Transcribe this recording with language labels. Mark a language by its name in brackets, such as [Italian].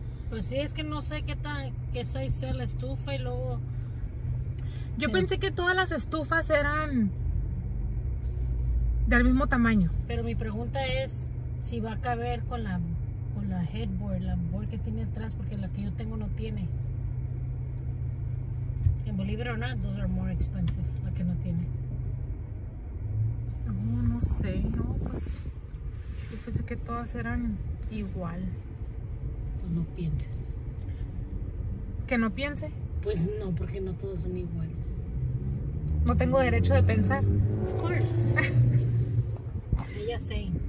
[Spanish] Pues sí, es que no sé qué size sea la estufa y luego... Yo pensé que todas las estufas eran del mismo tamaño. Pero mi pregunta es si va a caber con la headboard, la board que tiene atrás, porque la que yo tengo no tiene. [English] And believe it or not, those are more expensive, [Spanish] la que no tiene. No sé, no, pues yo pensé que todas eran igual. Pues no pienses. ¿Que no piense? Pues no, porque no todos son iguales. No tengo derecho de pensar. [English] Of course. [Spanish] Ella sé.